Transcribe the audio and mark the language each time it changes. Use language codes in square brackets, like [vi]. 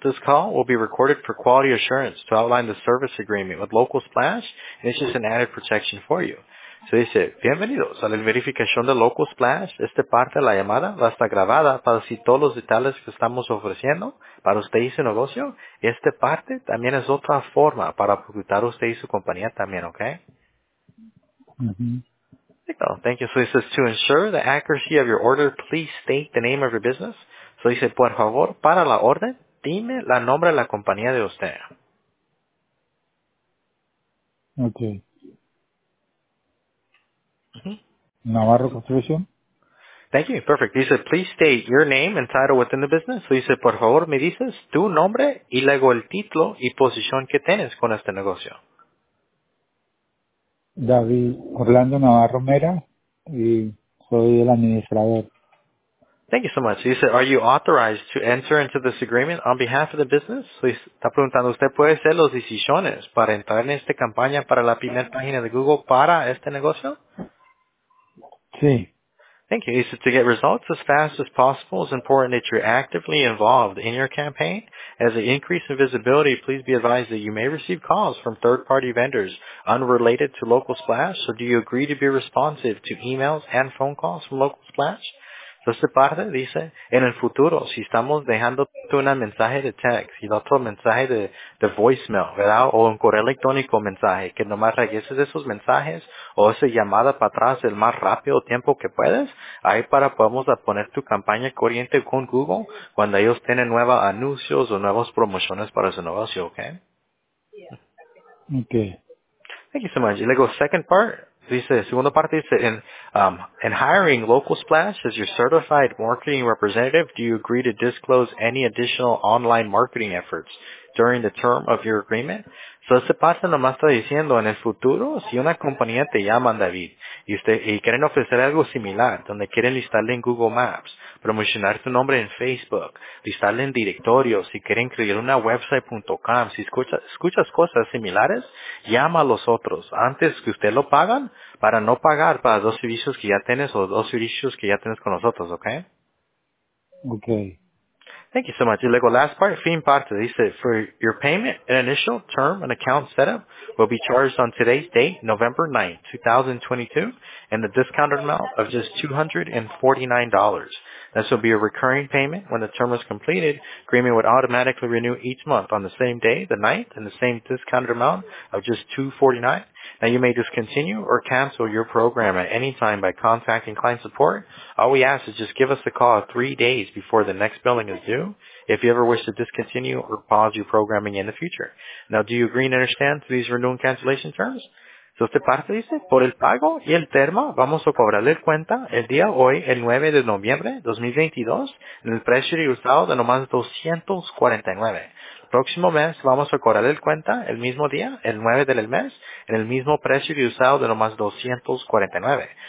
[en] This call will be recorded for quality assurance to outline the service agreement with Local Splash, and it's just an added protection for you. [es] Se dice, bienvenidos a la verificación de Local Splash. Esta parte de la llamada va a estar grabada para decir todos los detalles que estamos ofreciendo para usted y su negocio. Y esta parte también es otra forma para ocultar usted y su compañía también, ¿ok? Mm-hmm. [en] Thank you. So it says, to ensure the accuracy of your order, please state the name of your business. [es] So dice, por favor, para la orden, dime la nombre de la compañía de usted. [en] Ok. [es] Navarro Construcción. [en] Thank you. Perfect. He said, please state your name and title within the business. So he said, [es] por favor, me dices tu nombre y luego el título y posición que tienes con este negocio. David Orlando Navarro Mera, y soy el administrador. [en] Thank you so much. He said, are you authorized to enter into this agreement on behalf of the business? [es] So he está preguntando, ¿usted puede hacer los decisiones para entrar en esta campaña para la primera página de Google para este negocio? Sí. [en] Thank you. He said, to get results as fast as possible, it's important that you're actively involved in your campaign. As an increase in visibility, please be advised that you may receive calls from third-party vendors unrelated to Local Splash. So do you agree to be responsive to emails and phone calls from Local Splash? [es] Entonces, parte dice, en el futuro, si estamos dejando un mensaje de text y otro mensaje de voicemail, ¿verdad? O un correo electrónico mensaje, que nomás regreses esos mensajes o esa llamada para atrás el más rápido tiempo que puedes, ahí para podemos poner tu campaña corriente con Google cuando ellos tienen nuevos anuncios o nuevas promociones para su negocio, ¿ok? [en] Ok. Thank you so much. [es] Y luego, [en] second part. [es] Dice, segunda parte dice, [en] in hiring Local Splash as your certified marketing representative, do you agree to disclose any additional online marketing efforts during the term of your agreement? [es] So, esa parte nomás está diciendo, en el futuro, si una compañía te llama, David, y usted y quieren ofrecer algo similar, donde quieren listarle en Google Maps, promocionar tu nombre en Facebook, listarle en directorio, si quieren crear una website.com, si escuchas cosas similares, llama a los otros antes que usted lo pagan para no pagar para dos servicios que ya tienes o dos servicios que ya tienes con nosotros, ¿ok? [en] Ok. Thank you so much. [es] Y luego, [en] last part, [es] fin parte, dice, [en] for your payment, an initial term and account setup will be charged on today's date, November 9, 2022, and the discounted amount of just $249. This will be a recurring payment. When the term is completed, agreement would automatically renew each month on the same day, the 9th, and the same discounted amount of just $249. Now, you may discontinue or cancel your program at any time by contacting client support. All we ask is just give us a call 3 days before the next billing is due if you ever wish to discontinue or pause your programming in the future. Now, do you agree and understand to these renew and cancellation terms? [es] So, esta parte dice, por el pago y el termo, vamos a cobrarle cuenta el día hoy, el 9 de noviembre 2022, en el precio de usado de nomás $249. Próximo mes, vamos a cobrarle cuenta el mismo día, el 9 del mes, en el mismo precio de usado de nomás $249.